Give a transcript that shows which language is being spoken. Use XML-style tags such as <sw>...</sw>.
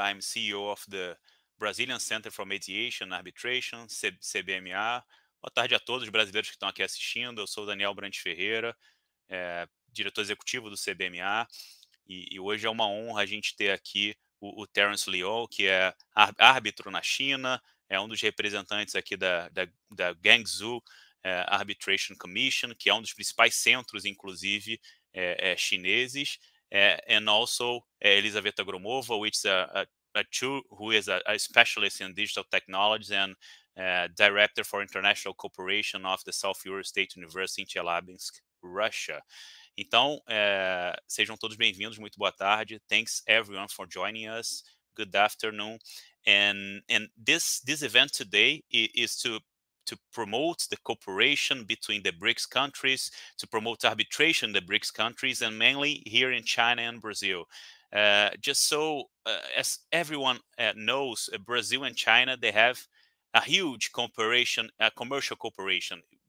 <en>I'm CEO of the Brazilian Center for Mediation, Arbitration, CBMA.</en> <pt>Boa tarde a todos os brasileiros que estão aqui assistindo. Eu sou Daniel Brantes Ferreira, diretor executivo do CBMA. E hoje é uma honra a gente ter aqui o Terrence Leow, que é árbitro na China, é um dos representantes aqui da Guangzhou Arbitration Commission, que é um dos principais centros, inclusive, chineses, and also Elizaveta Gromova, which is a specialist in digital technologies and director for international cooperation of the South Ural State University in Chelyabinsk, Russia. Então, sejam todos bem-vindos, muito boa tarde.</pt> <en>Thanks everyone for joining us. Good afternoon. And this event today is to promote the cooperation between the BRICS countries, to promote arbitration in the BRICS countries, and mainly here in China and Brazil. As everyone knows, Brazil and China, they have a huge cooperation, commercial cooperation.</en>